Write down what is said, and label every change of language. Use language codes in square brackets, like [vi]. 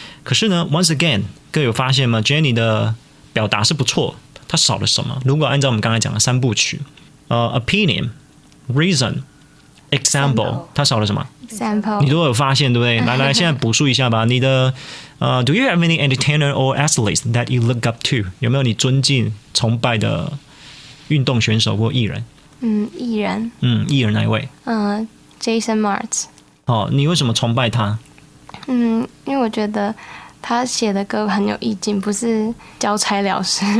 [zh] 可是呢 ， [en] once again， [zh] 各有发现吗 ？Jenny 的表达是不错，他少了什么？如果按照我们刚才讲的三部曲，opinion， reason， example， 他少了什么 [en] ？example， [zh] 你如果有发现，对不对？来来，现在补述一下吧，你的。 [en] Do you have any entertainer or athletes that you look up to? [zh] 有没有你尊敬、崇拜的运动选手或艺人？嗯，艺人。嗯，艺人哪一位？ Jason Martz。哦，你为什么崇拜他？嗯，因为我觉得他写的歌很有意境，不是交差了事。